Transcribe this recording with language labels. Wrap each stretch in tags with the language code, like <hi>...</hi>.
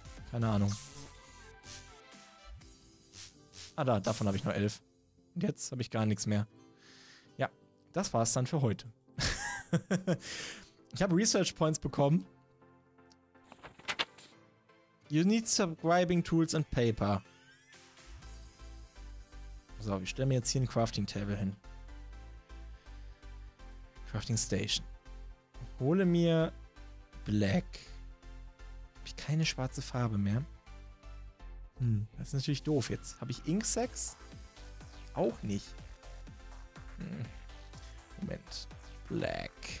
<de>Keine Ahnung. Ah da, davon habe ich nur 11. Und jetzt habe ich gar nichts mehr. Ja, das war es dann für heute. Ich habe Research Points bekommen.</de> <en>You need subscribing tools and paper.</en> <de>So, ich stelle mir jetzt hier ein Crafting Table hin. Crafting Station. Hole mir Black. Habe ich keine schwarze Farbe mehr. Hm, das ist natürlich doof jetzt. Habe ich Ink Sacks? Auch nicht. Hm. Moment. Black.</de>